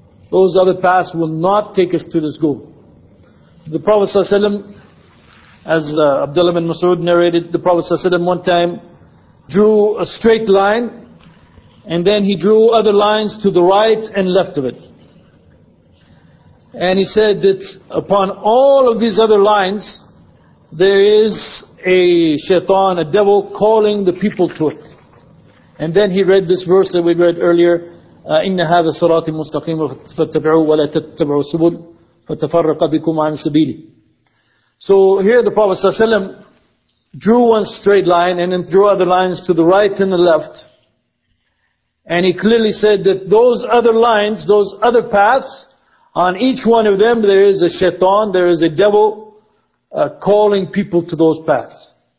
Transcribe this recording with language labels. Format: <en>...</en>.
<en>Those other paths will not take us to this goal. The Prophet ﷺ, as Abdullah bin Mas'ud narrated, the Prophet ﷺ one time drew a straight line, and then he drew other lines to the right and left of it. And he said that upon all of these other lines, there is a shaitan, a devil, calling the people to it. And then he read this verse that we read earlier,</en> <ar>إن هذا صراط مستقيم فاتبعوا ولا تتبعوا سبل فتفرق بكم عن سبيلي.</ar> <en>So here the Prophet صلى الله عليه وسلم drew one straight line and then drew other lines to the right and the left. And he clearly said that those other lines, those other paths, on each one of them there is a shaitan, there is a devil calling people to those paths.</en>